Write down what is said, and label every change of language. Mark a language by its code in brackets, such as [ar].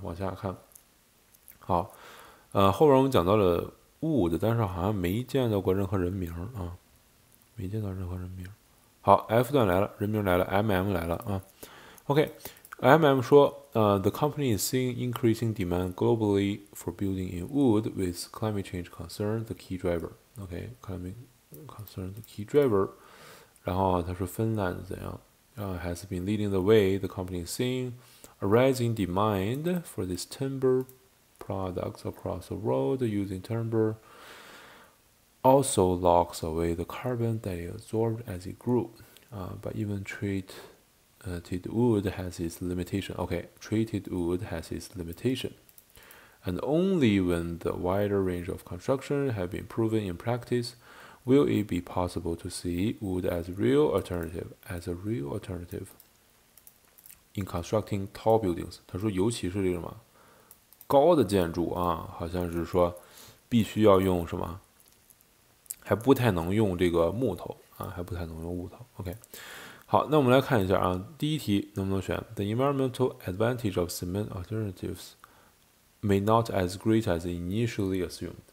[zh] 往下看，好，后边我们讲到了。 Wood， 但是好像没见到过任何人名啊，没见到任何人名。好 ，F 段来了，人名来了 ，MM 来了啊。 [en] OK，MM 说，the company is seeing increasing demand globally for building in wood with climate change concern the key driver。 OK，climate concern the key driver。 [zh] 然后他说芬兰怎样啊 [en] ，has been leading the way。 The company is seeing a rising demand for this timber。 Products across the world using timber also locks away the carbon that it absorbed as it grew. But even treated wood has its limitation. Okay, treated wood has its limitation. And only when the wider range of construction have been proven in practice will it be possible to see wood as a real alternative, as a real alternative in constructing tall buildings. [zh] 他说尤其是这个嘛。高的建筑啊，好像是说必须要用什么，还不太能用这个木头啊，还不太能用木头。 [en] OK， 好， [zh] 那我们来看一下啊，第一题能不能选 [en] ？The environmental advantage of cement alternatives may not as great as initially assumed。